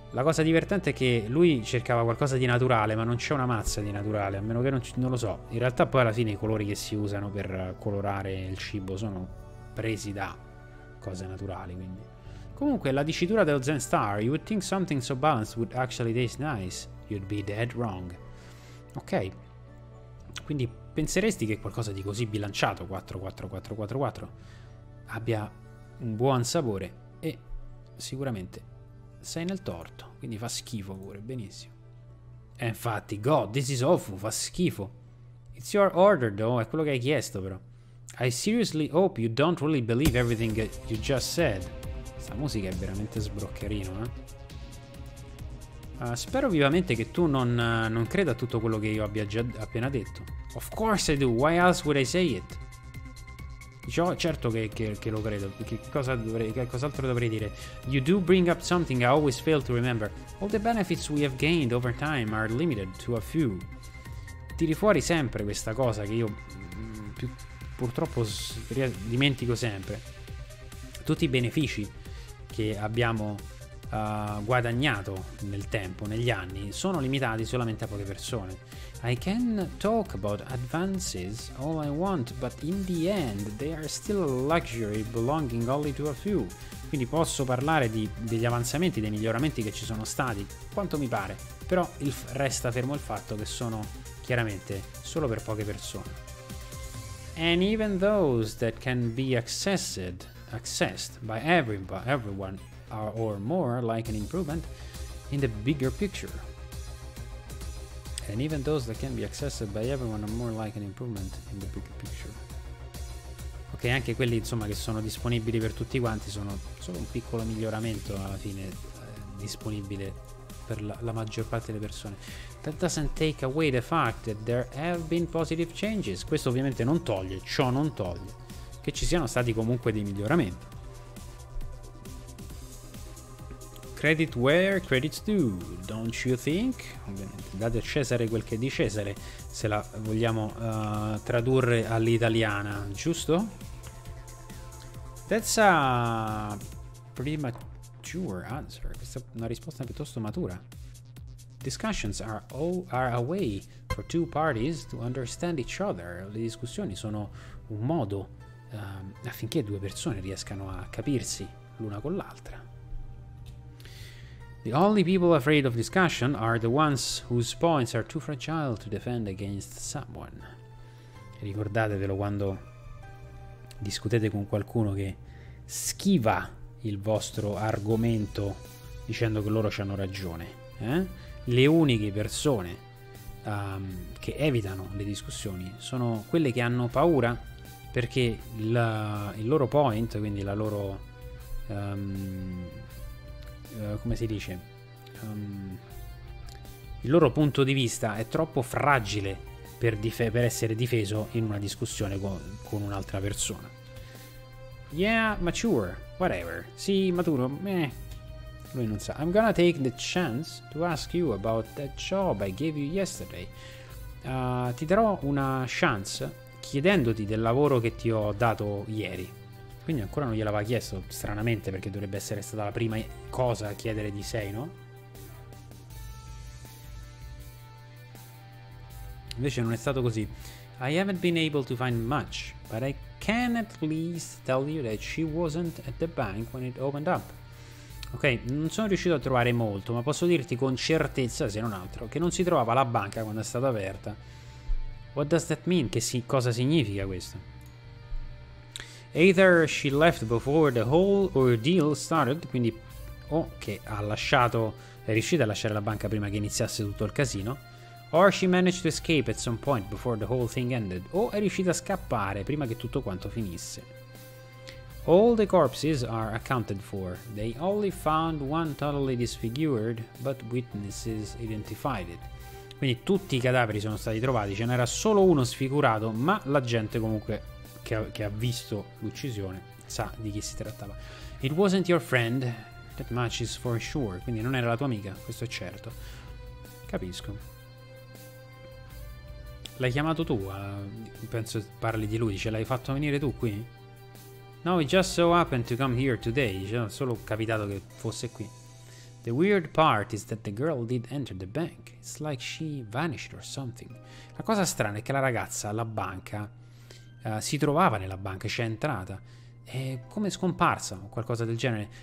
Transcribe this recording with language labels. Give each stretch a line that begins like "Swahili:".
Italian: La cosa divertente è che lui cercava qualcosa di naturale, ma non c'è una mazza di naturale, a meno che non lo so. In realtà poi alla fine i colori che si usano per colorare il cibo sono presi da cose naturali, quindi. Comunque, la dicitura dello Zen Star,
English: you would think something so balanced would actually taste nice, you'd be dead wrong.
Italian: Ok, quindi penseresti che qualcosa di così bilanciato, 4-4-4-4-4, abbia un buon sapore e sicuramente... sei nel torto, quindi fa schifo pure, benissimo. E infatti,
English: God, this is awful,
Italian: fa schifo.
English: It's your order, though,
Italian: è quello che hai chiesto, però.
English: I seriously hope you don't really believe everything you just said.
Italian: Questa musica è veramente sbroccherino, eh. Spero vivamente che tu non creda a tutto quello che io abbia già appena detto.
English: Of course I do, why else would I say it?
Italian: Cioè, certo che lo credo. Che cos'altro dovrei dire?
English: You do bring up something I always fail to remember. All the benefits we have gained over time are limited to a few.
Italian: Tiri fuori sempre questa cosa che io purtroppo dimentico sempre. Tutti i benefici che abbiamo guadagnato nel tempo, negli anni, sono limitati solamente a poche persone.
English: I can talk about advances all I want, but in the end they are still a luxury belonging only to a few.
Italian: Quindi posso parlare degli avanzamenti, dei miglioramenti che ci sono stati, quanto mi pare, però resta fermo il fatto che sono chiaramente solo per poche persone.
English: And even those that can be accessed by everyone or more like an improvement in the bigger picture. And even those that can be accessed by everyone are more like an improvement in the big picture.
Italian: Ok, anche quelli, insomma, che sono disponibili per tutti quanti sono solo un piccolo miglioramento alla fine, disponibile per la maggior parte delle persone.
English: That doesn't take away the fact that there have been positive changes.
Italian: Questo ovviamente non toglie, ciò non toglie, che ci siano stati comunque dei miglioramenti.
English: Credit where credit's due, don't you think?
Italian: Ovviamente, date a Cesare quel che è di Cesare, se la vogliamo tradurre all'italiana, giusto?
English: That's a premature answer.
Italian: Questa è una risposta piuttosto matura.
English: Discussions are a way for two parties to understand each other.
Italian: Le discussioni sono un modo affinché due persone riescano a capirsi l'una con l'altra.
English: The only people afraid of discussion are the ones whose points are too fragile to defend against someone.
Italian: Ricordatevelo quando discutete con qualcuno che schiva il vostro argomento dicendo che loro c'hanno ragione, eh? Le uniche persone che evitano le discussioni sono quelle che hanno paura, perché il loro point, quindi la loro il loro punto di vista è troppo fragile per essere difeso in una discussione con un'altra persona.
English: Yeah, mature, whatever.
Italian: Sì, maturo, meh. Lui non sa.
English: I'm gonna take the chance to ask you about that job I gave you yesterday.
Italian: Ti darò una chance chiedendoti del lavoro che ti ho dato ieri. Quindi ancora non gliel'aveva chiesto, stranamente, perché dovrebbe essere stata la prima cosa a chiedere di sé, no? Invece non è stato così.
English: I haven't been able to find much, but I can at least tell you that she wasn't at the bank when it opened up.
Italian: Ok, non sono riuscito a trovare molto, ma posso dirti con certezza, se non altro, che non si trovava alla banca quando è stata aperta.
English: What does that mean?
Italian: Cosa significa questo?
English: Either she left before the whole ordeal started,
Italian: quindi che ha lasciato, è riuscita a lasciare la banca prima che iniziasse tutto il casino.
English: Or she managed to escape at some point before the whole thing ended.
Italian: O è riuscita a scappare prima che tutto quanto finisse.
English: All the corpses are accounted for. They only found one totally disfigured, but witnesses identified it.
Italian: Quindi tutti i cadaveri sono stati trovati, ce n'era solo uno sfigurato, ma la gente comunque che ha visto l'uccisione sa di chi si trattava.
English: It wasn't your friend, that much is for sure.
Italian: Quindi non era la tua amica, questo è certo. Capisco. L'hai chiamato tu, penso parli di lui, ce l'hai fatto venire tu qui?
English: No, it just so happened to come here today,
Italian: cioè, solo capitato che fosse qui.
English: The weird part is that the girl did enter the bank, it's like she vanished or something.
Italian: La cosa strana è che la ragazza alla banca si trovava nella banca, c'è entrata, è come scomparsa o qualcosa del genere.